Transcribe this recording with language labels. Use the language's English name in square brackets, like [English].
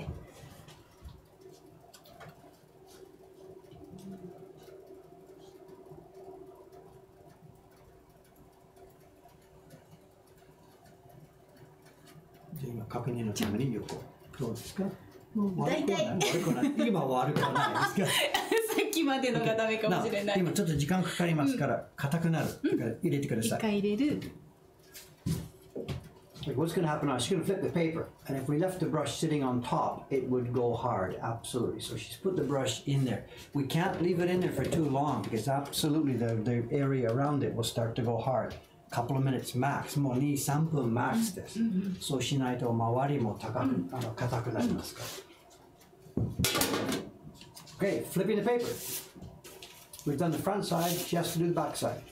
[Japanese] じゃあ今確認のために横どうですか？大体今は悪くはないですか？さっきまでのがダメかもしれない。今ちょっと時間かかりますから硬くなる、うん、から入れてください。一回入れる。 [English] What's going to happen now? She's going to flip the paper, and if we left the brush sitting on top, it would go hard, absolutely. So she's put the brush in there. We can't leave it in there for too long, because absolutely the area around it will start to go hard. A couple of minutes max, [Japanese] もう2、3分 max です。 [English] Mm-hmm. [Japanese] そうしないと周りも硬くなりますから。 [English] Okay, flipping the paper. We've done the front side, she has to do the back side.